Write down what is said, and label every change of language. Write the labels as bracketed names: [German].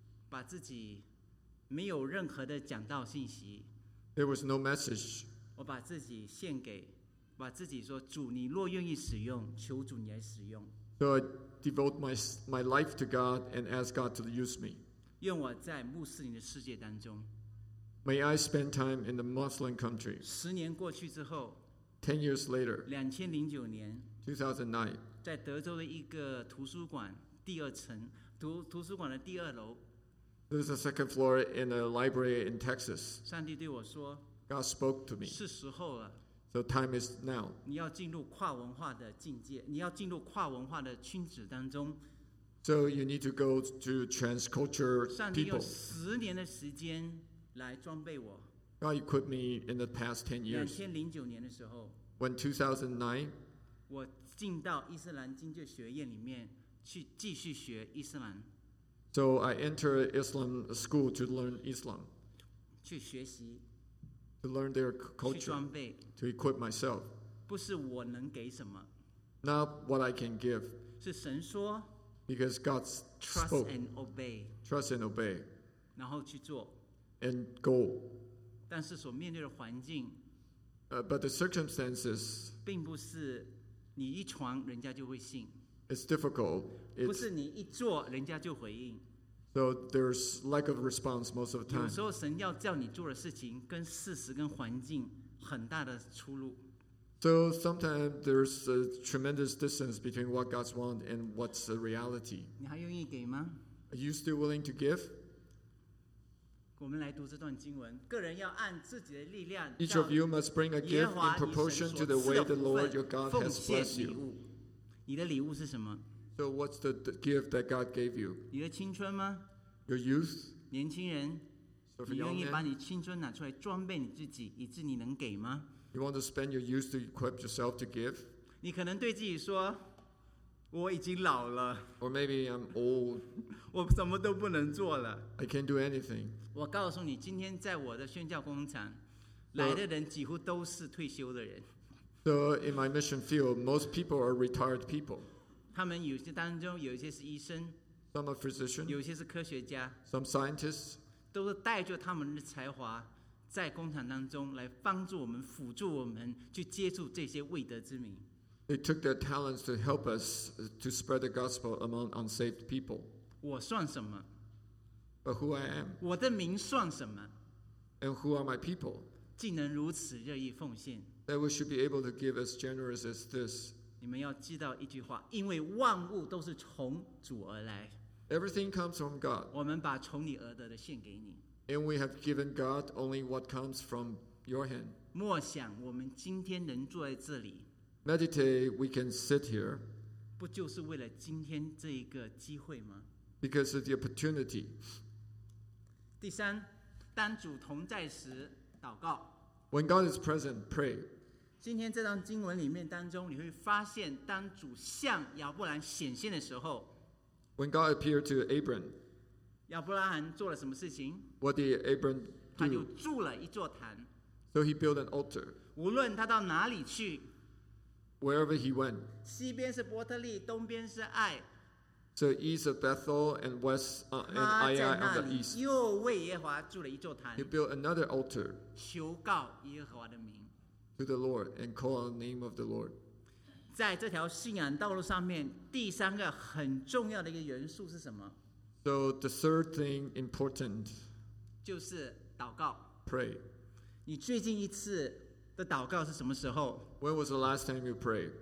[Chinese] 把自己没有任何的讲道信息。 [English] There was no message. [Chinese] 我把自己献给，把自己说主，你若愿意使用，求主你来使用。 [English] So I devote my life to God and ask God to use me. [Chinese] 愿我在穆斯林的世界当中。 [English] May I spend time in the Muslim country. [Chinese] 十年过去之后。 [English] 10 years later. [Chinese] 2009年。 [English] 2009. [Chinese] 在德州的一个图书馆第二层，图书馆的第二楼。 [English] This is the second floor in a library in Texas. [Chinese] 上帝对我说。 [English] God spoke to me. [Chinese] 是时候了。 [English] So time is now. [Chinese] 你要进入跨文化的境界，你要进入跨文化的圈子当中。 [English] So you need to go to transculture people. [Chinese] 上帝用十年的时间来装备我。 [English] God equipped me in the past 10 years. [Chinese] 2009年的时候。 [English] When 2009. [Chinese] 我进到伊斯兰经济学院里面去继续学伊斯兰。 [English] So I enter Islam school to learn Islam. [Chinese] 去学习。 [English] To learn their culture, [Chinese] 去装备, [English] to equip myself. [Chinese] 不是我能给什么, [English] not what I can give. [Chinese] 是神说, [English] because God spoke. Trust and obey. Trust and obey. [Chinese] 然后去做, [English] and go. [Chinese] 但是所面对的环境 [English] but the circumstances [Chinese] 并不是你一传人家就会信。 [English] It's difficult. [Chinese] It's, 不是你一做人家就回应。 [English] So there's lack of response most of the time. [Chinese] 有时候神要叫你做的事情跟事实跟环境很大的出入。 [English] So sometimes there's a tremendous distance between what God's want and what's the reality. [Chinese] 你还愿意给吗？ [English] Are you still willing to give? [Chinese] 我们来读这段经文，个人要按自己的力量。 [English] Each of you must bring a gift in proportion to the way the Lord your God has blessed you. [Chinese] 你的礼物是什么？ [English] So what's the gift that God gave you? [Chinese] 你的青春吗？ [English] Your youth? [Chinese] 年轻人，你愿意把你青春拿出来装备你自己，以致你能给吗？ [English] You want to spend your youth to equip yourself to give? [Chinese] 你可能对自己说，我已经老了。 [English] Or maybe I'm old. [Chinese] 我什么都不能做了。 [English] I can't do anything. [Chinese] 我告诉你，今天在我的宣教工厂，来的人几乎都是退休的人。 [English] So in my mission field, most people are retired people. [Chinese] 他们有些当中有一些是医生， [English] some are physicians, [Chinese] 有些是科学家， [English] some scientists, [Chinese] 都是带着他们的才华在工厂当中来帮助我们，辅助我们去接触这些未得之民。 [English] They took their talents to help us to spread the gospel among unsaved people. [Chinese] 我算什么？ [English] But who I am? [Chinese] 我的名算什么？ [English] And who are my people? [Chinese] 竟能如此热意奉献。 [English] That we should be able to give as generous as this. [Chinese] 你们要记到一句话，因为万物都是从主而来。 [English] Everything comes from God. [Chinese] 我们把从你而得的献给你。 [English] And we have given God only what comes from your hand. [Chinese] 默想我们今天能坐在这里。 [English] Meditate, we can sit here. [Chinese] 不就是为了今天这一个机会吗？ [English] Because of the opportunity. [Chinese] 第三，当主同在时，祷告。 [English] When God is present, pray. [Chinese] 今天这段经文里面当中，你会发现，当主向亚伯兰显现的时候 [English] ，When God appeared to Abram, [Chinese] 亚伯拉罕做了什么事情 [English] ？What did Abram do? [Chinese] 他就筑了一座坛。 [English] So he built an altar. [Chinese] 无论他到哪里去 [English] ，Wherever he went, [Chinese] 西边是伯特利，东边是爱。 [English] So east of Bethel and west and Ai of the east. [Chinese] 又为耶和华筑了一座坛。 [English] He built another altar. [Chinese] 求告耶和华的名。 [English] To the Lord and call on the name of the Lord. [Chinese] 在这条信仰道路上面，第三个很重要的一个元素是什么 [English] ？So the third thing important. [Chinese] 就是祷告。 [English] Pray. [Chinese] 你最近一次的祷告是什么时候 [English] ？When was the last time you prayed？